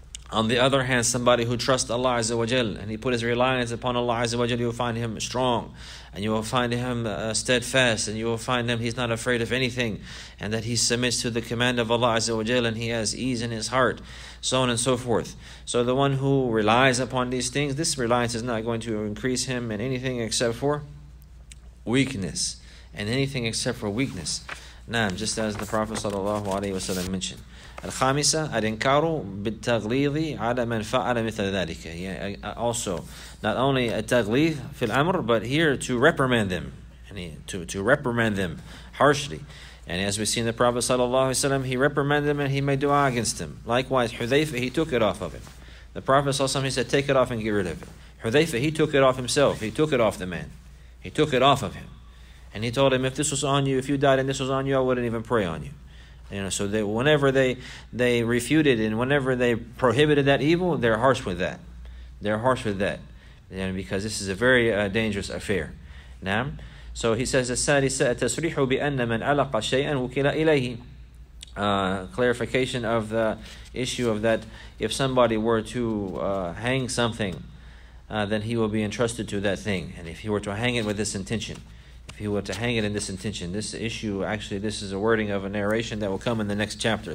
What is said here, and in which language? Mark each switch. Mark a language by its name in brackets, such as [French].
[English] On the other hand, somebody who trusts Allah and he put his reliance upon Allah, you will find him strong, and you will find him steadfast, and you will find him, he's not afraid of anything, and that he submits to the command of Allah, and he has ease in his heart, so on and so forth. So the one who relies upon these things, this reliance is not going to increase him in anything except for weakness. And anything except for weakness. Naam, just as the Prophet sallallahu alaihi wasallam mentioned. [Arabic] الخامسة الانكار بالتغليظ على من فعل مثل ذلك. [English] Also, not only a [Arabic] تغليظ في الأمر, [English] but here to reprimand them, to reprimand them harshly. And as we see in the Prophet sallallahu alaihi wasallam, he reprimanded them and he made dua against them. Likewise, Hudhayfa, he took it off of him. The Prophet sallallahu alaihi wasallam, he said, take it off and get rid of it. Hudhayfa, he took it off himself. He took it off the man. He took it off of him, and he told him, if this was on you, if you died and this was on you, I wouldn't even pray on you. You know, so they, whenever they refuted and whenever they prohibited that evil, they're harsh with that. They're harsh with that, and because this is a very dangerous affair. Now, so he says the [Arabic] السادسة التصريح بأن من ألقى شيئا وكل إليه. [English] Clarification of the issue of that: if somebody were to hang something, then he will be entrusted to that thing. And if he were to hang it with this intention. If he were to hang it in this intention, this issue, actually, this is a wording of a narration that will come in the next chapter.